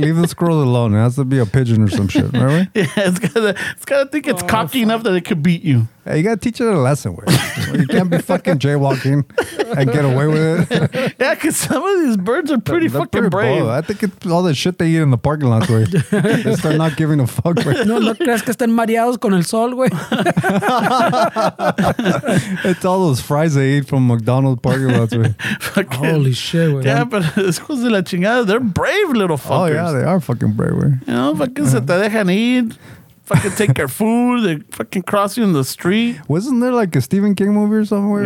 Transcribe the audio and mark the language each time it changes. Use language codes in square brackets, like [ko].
[en] Leave the squirrel alone. It has to be a pigeon or some shit, right? Yeah, it's gotta think it's cocky enough that it could beat you. Hey, you gotta teach it a lesson, güey. You can't be fucking jaywalking and get away with it. Yeah, because some of these birds are pretty fucking pretty brave. Bold. I think it's all the shit they eat in the parking lot, güey. They start not giving a fuck, güey. [es] No crees que estén mareados con el sol, güey. [en] It's all those fries they eat from McDonald's parking lots, güey. Holy shit, güey. Yeah, but [es] es cosa de la chingada. [en] They're brave little fuckers. Oh, yeah, they are fucking brave, güey. You know, fucking [es] se te dejan ir. [en] fucking take your food. They fucking cross you in the street. Wasn't there like a Stephen King movie or somewhere?